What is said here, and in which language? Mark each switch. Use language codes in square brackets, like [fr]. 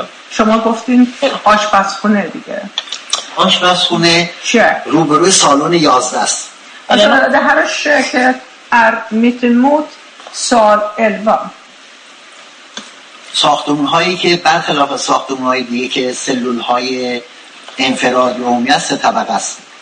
[fa] شما گفتین آشپزخونه دیگه، آشپزخونه شک روبروی سالون 11 است. [sv] Det här köket är mitt emot sal 11. [fa] ساختمان‌هایی که برخلاف ساختمان‌های دیگه که سلول‌های انفرادی عمومی است طبقه است.